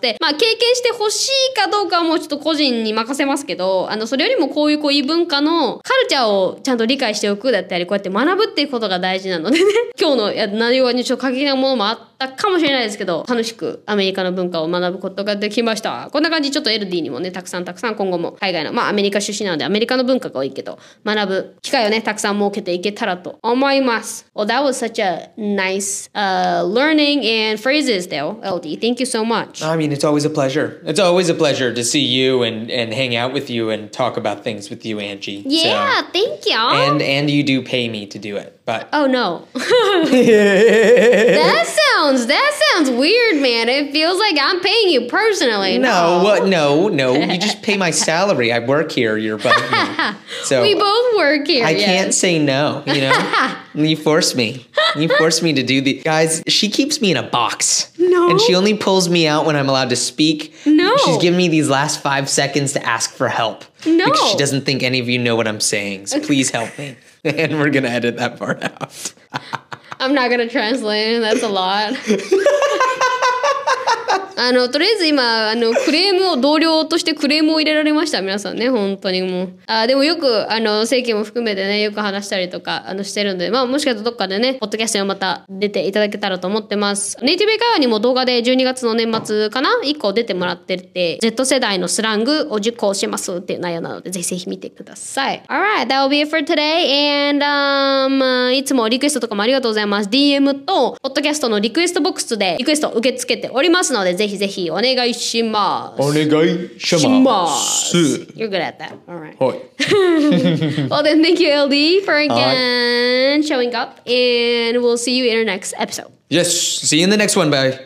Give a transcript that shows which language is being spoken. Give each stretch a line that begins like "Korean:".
Japanese: で、まあ経験してほしいかどうかはもうちょっと個人に任せますけど、それよりもこういう異文化のカルチャーをちゃんと理解しておくだったり、こうやって学ぶっていうことが大事なのでね、今日の内容にちょっと過激なものもあってったかもしれないですけど、楽しくアメリカの文化を学ぶことができました。こんな感じ、ちょっとエルディにもね、たくさんたくさん今後も海外の、まあアメリカ出身なのでアメリカの文化が多いけど、学ぶ機会をね、たくさん設けていけたらと思います。
English: Well, that was such a nice, learning and phrases though, LD. Thank you so much. I mean, it's always a pleasure. It's always a pleasure to see you and hang out with you and talk about things with you, Angie. Yeah, so, thank you. And you do pay me to do it. But oh no. That sounds weird, man. It feels like I'm paying you personally. No. You just pay my salary. I work here. You're above me. So we both work here. I can't say no, you know? You force me. You force me to do the guys, she keeps me in a box. No. And she only pulls me out when I'm allowed to speak. No. She's giving me these last 5 seconds to ask for help. No. Because she doesn't think any of you know what I'm saying. So please help me. And we're going to edit that part out. I'm not going to translate. That's a lot.
Japanese: あの、とりあえず今、あの、クレームを、同僚としてクレームを入れられました。皆さんね、本当にもう。あ、でもよく、あの、政権も含めてね、よく話したりとか、あの、してるんで、まあ、もしかしたらどっかでね、ポッドキャストをまた出ていただけたらと思ってます。ネイティブ会話にも動画で12月の年末かな ?1 個出てもらってて、Z 世代のスラングを受講しますっていう内容なので、ぜひぜひ見てください。
English: Alright, that will be it for today.
Japanese: And, いつもリクエストとかもありがとうございます。DM と、ポッドキャストのリクエストボックスでリクエスト受け付けておりますので、ぜひぜひお願いします。お願いします。
English: You're good at that. All right.
Japanese: はい。
English: Well then, thank you, LD, for again showing up. And we'll see you in our next episode. Yes. See you in the next one. Bye.